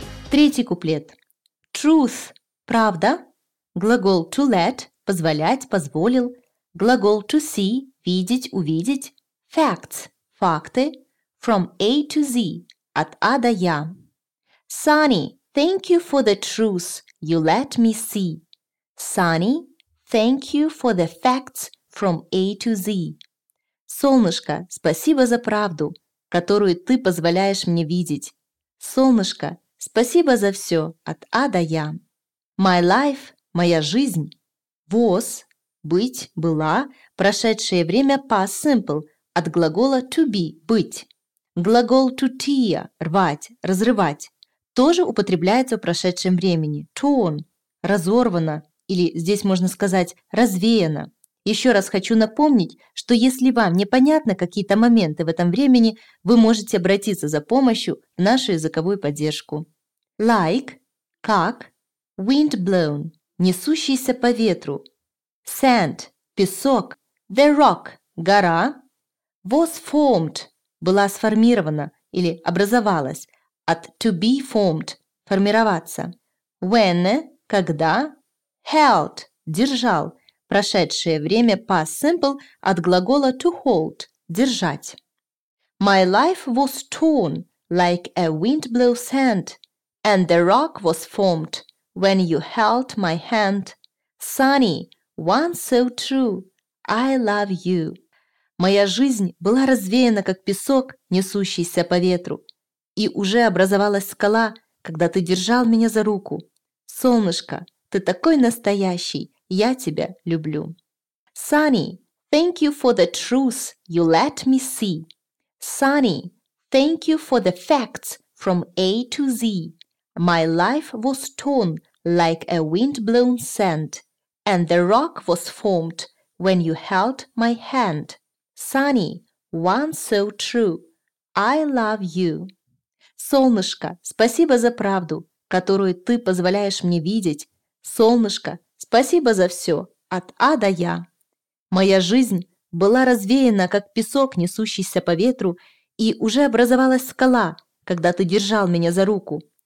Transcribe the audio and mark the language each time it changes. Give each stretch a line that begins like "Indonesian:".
Russian: Третий куплет. Truth – правда. Глагол
English: to let
Russian: – позволять, позволил. Глагол
English: to see
Russian: – видеть, увидеть. Facts – факты.
English: From A to Z
Russian: – от А до Я.
English: Sunny, thank you for the truth you let me see. Sunny, thank you for the facts from A to Z.
Russian: Солнышко, спасибо за правду, которую ты позволяешь мне видеть. Солнышко, спасибо за все от А до Я.
English: My life
Russian: – моя жизнь. Was – быть, была. Прошедшее время
English: past simple
Russian: от глагола
English: to be
Russian: – быть. Глагол
English: to tear
Russian: – рвать, разрывать. Тоже употребляется в прошедшем времени. Torn – разорвано. Или здесь можно сказать развеяно. Еще раз хочу напомнить, что если вам непонятны какие-то моменты в этом времени, вы можете обратиться за помощью в нашу языковую поддержку. Like – как.
English: Wind blown
Russian: – несущийся по ветру. Sand – песок.
English: The rock
Russian: – гора.
English: Was formed
Russian: – была сформирована или образовалась. От
English: to be formed
Russian: – формироваться. When – когда. Held – держал. Прошедшее время
English: past simple
Russian: от глагола
English: to hold
Russian: – держать.
English: My life was torn like a wind-blown sand, and the rock was formed when you held my hand. Sunny, one so true, I love you.
Russian: Моя жизнь была развеяна, как песок, несущийся по ветру, и уже образовалась скала, когда ты держал меня за руку. Солнышко, ты такой настоящий. Я тебя люблю.
English: Sunny, thank you for the truth you let me see. Sunny, thank you for the facts from A to Z. My life was torn like a wind-blown sand, and the rock was formed when you held my hand. Sunny, one so true, I love you.
Russian: Солнышко, спасибо за правду, которую ты позволяешь мне видеть. Солнышко, спасибо за все, от А до Я. Моя жизнь была развеяна, как песок, несущийся по ветру, и уже образовалась скала, когда ты держал меня за руку.